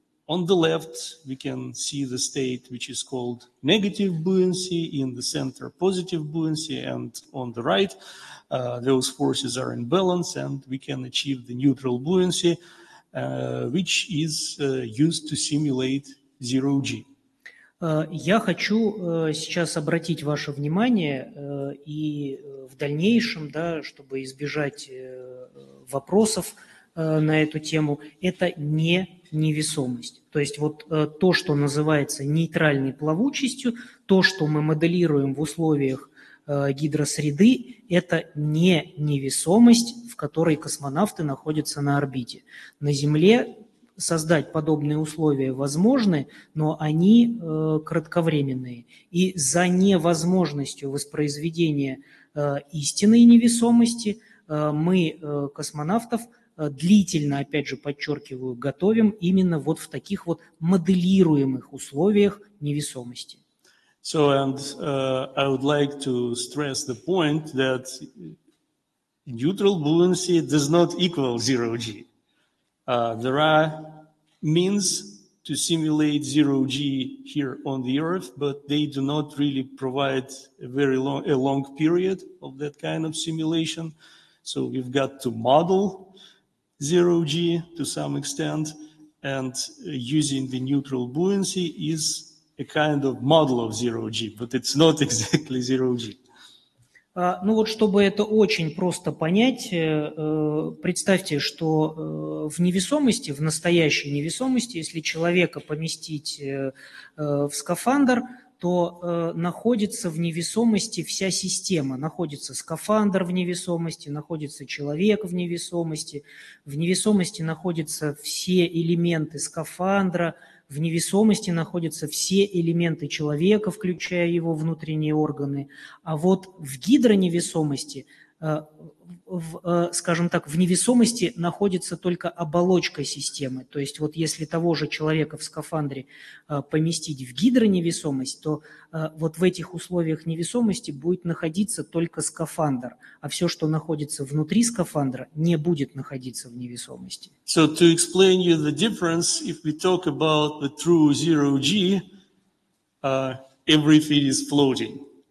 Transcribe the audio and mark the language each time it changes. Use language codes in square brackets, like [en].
[en] On the left, we can see the state which is called negative buoyancy, in the center positive buoyancy, and on the right, those forces are in balance and we can achieve the neutral buoyancy, which is used to simulate zero G. [ru] Я хочу сейчас обратить ваше внимание и в дальнейшем, да, чтобы избежать вопросов, на эту тему, это не невесомость. То есть вот то, что называется нейтральной плавучестью, то, что мы моделируем в условиях гидросреды, это не невесомость, в которой космонавты находятся на орбите. На Земле создать подобные условия возможны, но они кратковременные. И за невозможностью воспроизведения истинной невесомости мы космонавтов длительно, опять же подчеркиваю, готовим именно вот в таких вот моделируемых условиях невесомости. [en] So, and I would like to stress the point that neutral buoyancy does not equal zero G. There are means to simulate zero G here on the Earth, but they do not really provide a long period of that kind of simulation. So we've got to model zero G to some extent, and using the neutral buoyancy is a kind of model of zero G, but it's not exactly zero G. [ru] Ну вот, чтобы это очень просто понять, представьте, что в невесомости, в настоящей невесомости, если человека поместить в скафандр, то находится в невесомости вся система. Находится скафандр в невесомости, находится человек в невесомости. В невесомости находятся все элементы скафандра, в невесомости находятся все элементы человека, включая его внутренние органы. А вот в гидроневесомости, скажем так, в невесомости находится только оболочка системы. То есть вот если того же человека в скафандре поместить в гидроневесомость, то вот в этих условиях невесомости будет находиться только скафандр. А все, что находится внутри скафандра, не будет находиться в невесомости. [en] So to explain you the difference, if we talk about the true zero G, everything is floating.